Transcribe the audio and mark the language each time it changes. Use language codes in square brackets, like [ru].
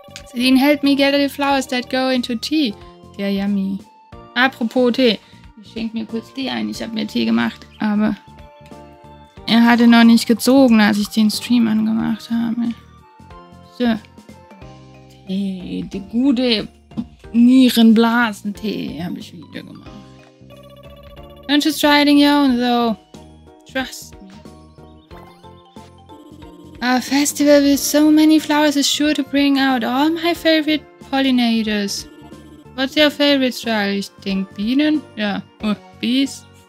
[en] Celine, help me gather the flowers that go into tea. [de] Ja, yummy. Apropos Tee. Ich schenke mir kurz Tee ein. Ich habe mir Tee gemacht, aber er hatte noch nicht gezogen, als ich den Stream angemacht habe. So. Tee, die gute Nierenblasen-Tee habe ich wieder gemacht. [en] Don't just try it on your own, though. Trust me. A festival with so many flowers is sure to bring out all my favorite pollinators. What's your favorite struggle? [de] Ich denke Bienen? Ja. [en] Oh, bees?